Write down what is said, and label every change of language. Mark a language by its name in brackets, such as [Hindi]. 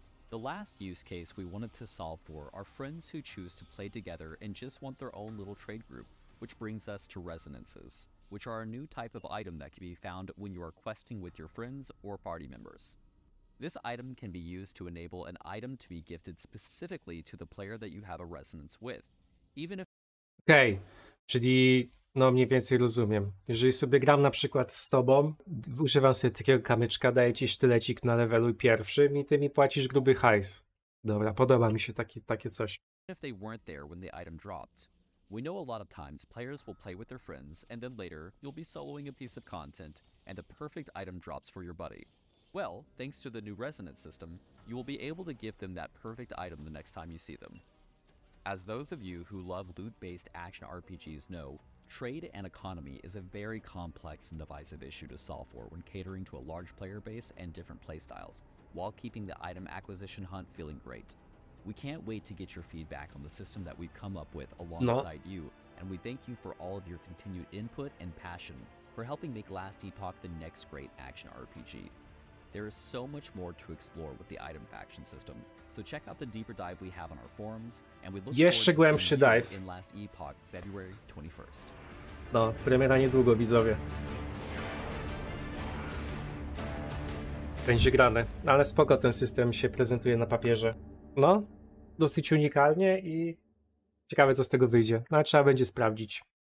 [English] The last use case we wanted to solve for are friends who choose to play together and just want their own little trade group, which brings us to resonances, which are a new type of item that can be found when you are questing with your friends or party members. This item can be used to enable an item to be gifted specifically to the player that you have a resonance with, even if. [Polish] Okej, okay. Czyli No, mniej więcej rozumiem. Jeżeli sobie gram na przykład z tobą, używam sobie takiego kamyczka, daję ci sztylecik na levelu pierwszym i ty mi płacisz gruby hajs. Dobra, podoba mi się takie coś. [English] If they weren't there when the item dropped. We know a lot of times players will play with their friends, and then later you'll be soloing a piece of content, and a perfect item drops for your buddy. Well, thanks to the new resonance system, you will be able to give them that perfect item the next time you see them. As those of you who love loot-based action RPGs know, trade and economy is a very complex and divisive issue to solve for when catering to a large player base and different playstyles, while keeping the item acquisition hunt feeling great. We can't wait to get your feedback on the system that we've come up with No. alongside you, and we thank you for all of your continued input and passion for helping make Last Epoch the next great action RPG. There is so much more to explore with the item faction system, so check out the deeper dive we have on our forums, and we look forward [Polish] Jeszcze [English] to seeing [Polish] głębszy [English] you dive. in Last Epoch February 21st. [Polish] No, premiera niedługo, widzowie. Będzie grane, ale spoko, ten system się prezentuje na papierze. No, dosyć unikalnie i ciekawe, co z tego wyjdzie. No, trzeba będzie sprawdzić.